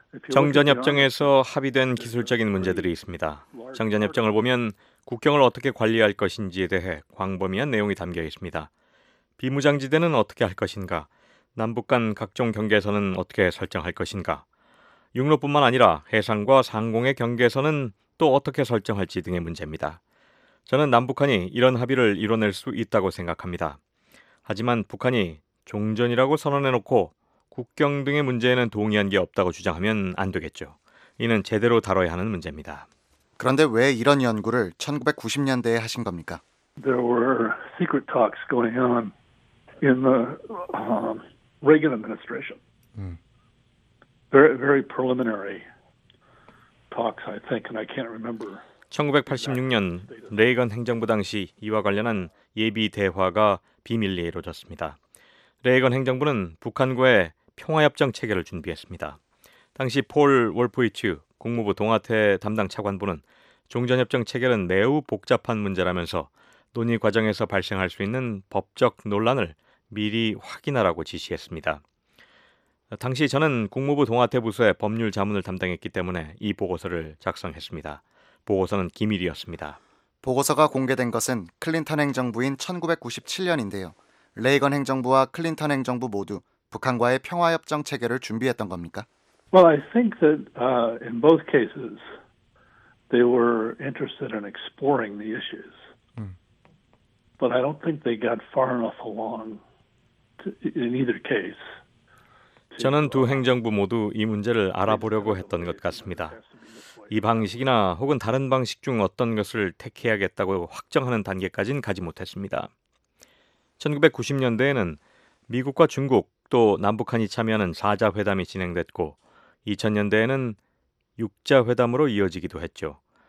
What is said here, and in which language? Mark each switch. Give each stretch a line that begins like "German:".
Korean: 정전협정에서 합의된 기술적인 문제들이 있습니다. 정전협정을 보면 국경을 어떻게 관리할 것인지에 대해 광범위한 내용이 담겨 있습니다. 비무장지대는 어떻게 할 것인가? 남북 간 각종 경계선은 어떻게 설정할 것인가? 육로뿐만 아니라 해상과 상공의 경계선은 또 어떻게 설정할지 등의 문제입니다. 저는 남북한이 이런 합의를 이뤄낼 수 있다고 생각합니다. 하지만 북한이 종전이라고 선언해놓고 국경 등의 문제에는 동의한 게 없다고 주장하면 안 되겠죠. 이는 제대로 다뤄야 하는 문제입니다. 그런데 왜 이런 연구를 1990년대에 하신 겁니까?
English: There were secret talks going on in the Reagan administration. Very, very preliminary talks, I think, and I can't remember.
Korean: 1986년 레이건 행정부 당시 이와 관련한 예비 대화가 비밀리에 이루어졌습니다. 레이건 행정부는 북한과의 평화협정 체결을 준비했습니다. 당시 폴 월프위츠 국무부 동아태 담당 차관보는 종전협정 체결은 매우 복잡한 문제라면서 논의 과정에서 발생할 수 있는 법적 논란을 미리 확인하라고 지시했습니다. 당시 저는 국무부 동아태 부서의 법률 자문을 담당했기 때문에 이 보고서를 작성했습니다. 보고서는 기밀이었습니다. 보고서가 공개된 것은 클린턴 행정부인 1997년인데요. 레이건 행정부와 클린턴 행정부 모두 북한과의 평화협정 체결을 준비했던 겁니까?
English: Well, I think that in both cases they were interested in exploring the issues. But I don't think they got far enough along in either case.
Korean: 저는 두 행정부 모두 이 문제를 알아보려고 했던 것 같습니다. 이 방식이나 혹은 다른 방식 중 어떤 것을 택해야겠다고 확정하는 단계까지는 가지 못했습니다. 1990년대에는 미국과 중국 또 남북한이 참여하는 4자 회담이 진행됐고 2000년대에는 6자 회담으로 이어지기도 했죠.